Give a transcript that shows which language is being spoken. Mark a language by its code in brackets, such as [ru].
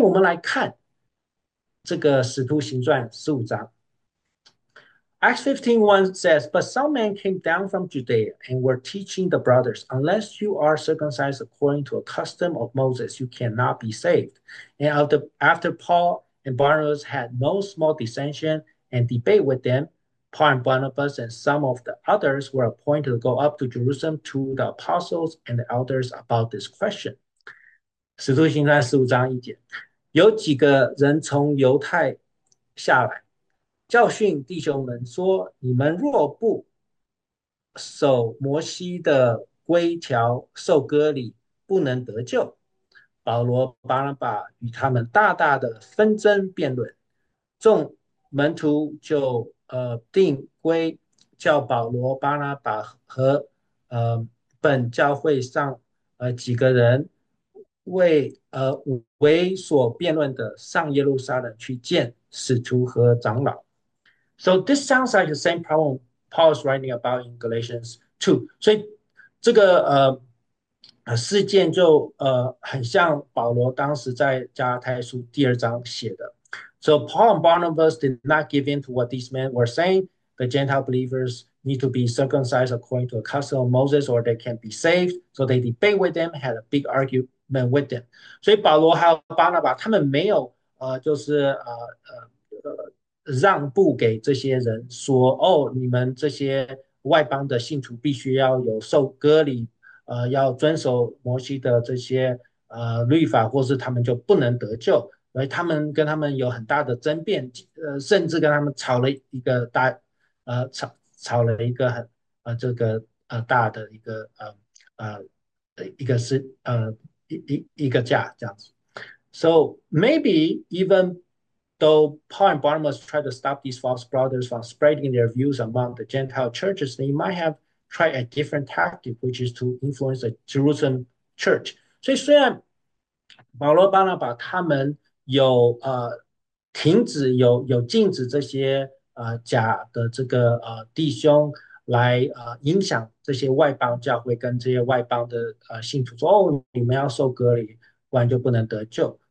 [zh] 所以我们来看这个《使徒行传》15章。 [en] Acts 15:1 says, "But some men came down from Judea and were teaching the brothers, 'Unless you are circumcised according to a custom of Moses, you cannot be saved.' And after Paul and Barnabas had no small dissension and debate with them, Paul and Barnabas and some of the others were appointed to go up to Jerusalem to the apostles and the elders about this question." [zh] 使徒行传15:1节，有几个人从犹太下来。教训弟兄们说：“你们若不守摩西的规条，受割礼，不能得救。 ”保罗、巴拿巴与他们大大的纷争辩论，众门徒就定规，叫保罗、巴拿巴和本教会上几个人为所辩论的上耶路撒冷去见使徒和长老。 [en] So this sounds like the same problem Paul is writing about in Galatians 2. [zh] 所以这个事件就很像保罗当时在加拉太书第二章写的。 [en] So Paul and Barnabas did not give in to what these men were saying. The Gentile believers need to be circumcised according to the custom of Moses, or they can't be saved. So they debate with them, had a big argument with them. [zh] 所以保罗还有巴拿巴他们没有就是让步给这些人说，哦，你们这些外邦的信徒必须要有受割礼，要遵守摩西的这些律法，或是他们就不能得救。所以他们跟他们有很大的争辩，甚至跟他们吵了一个大，吵了一个很这个大的一个一个是一一一个架这样子。 [en] So maybe even though Paul and Barnabas tried to stop these false brothers from spreading their views among the Gentile churches, they might have tried a different tactic, which is to influence the Jerusalem church. [zh] 所以虽然保罗、巴拿巴他们有禁止这些假的这个弟兄来影响这些外邦教会跟这些外邦的信徒说，哦，你们要受割礼，不然就不能得救。